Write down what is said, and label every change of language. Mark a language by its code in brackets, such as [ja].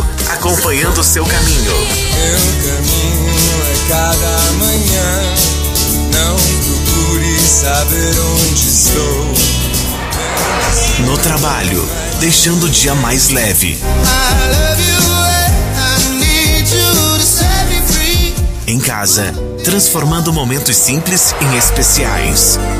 [pt] Acompanhando o seu caminho. Meu caminho é cada manhã. Não procure saber onde estou. No trabalho, deixando o dia mais leve. [en] I love you, I need you to set me free. [pt] Em casa, transformando momentos simples em especiais.